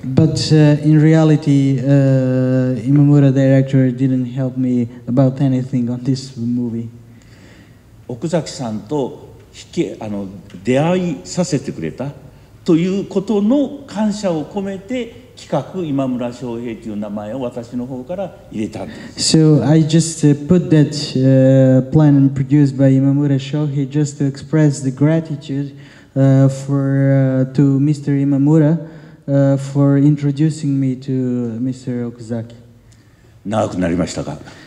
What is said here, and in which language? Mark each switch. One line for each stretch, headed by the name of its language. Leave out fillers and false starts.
English: But in reality, Imamura director didn't help me about anything on this movie.
Japanese: 奥崎さんと出会いさせてくれた。ということの感謝を込めて企画今村翔平という名前を私の方から入れたんです。
English: So I just put that plan produced by 今村翔平 just to express the gratitude to Mr. 今村 for introducing me to Mr. 奥崎。
Japanese: 長くなりましたか。